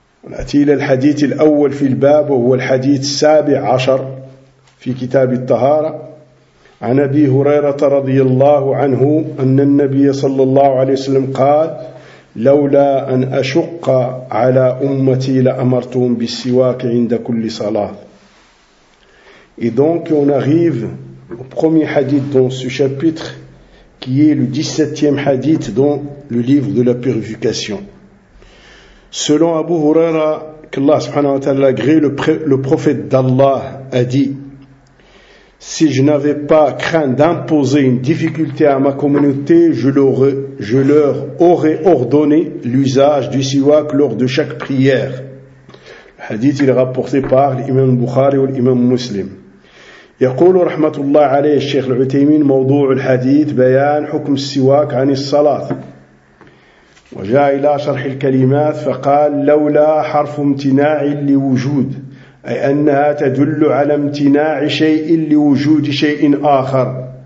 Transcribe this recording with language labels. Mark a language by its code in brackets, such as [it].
[ar] نأتي إلى الحديث الأول في الباب، وهو الحديث 17 في كتاب الطهارة، عن أبي هريرة رضي الله عنه أن النبي صلى الله عليه وسلم قال: لولا أن أشق على أمتي لأمرتهم بالسواك عند كل صلاة. [fr] Et donc on arrive au premier hadith dans ce chapitre, qui est le 17e hadith dans le livre de la purification. Selon Abu Huraira, qu'Allah [ar] subhanahu wa ta'ala [fr] agré, le prophète d'Allah a dit: si je n'avais pas craint d'imposer une difficulté à ma communauté, je leur aurais ordonné l'usage du siwak lors de chaque prière. Le hadith est rapporté par l'imam Bukhari ou l'imam Muslim. [ar] يقول رحمة الله عليه الشيخ العثيمين موضوع الحديث بيان حكم السواك عن الصلاة، وجاء إلى شرح الكلمات فقال: لولا حرف امتناع لوجود، أي أنها تدل على امتناع شيء لوجود شيء آخر.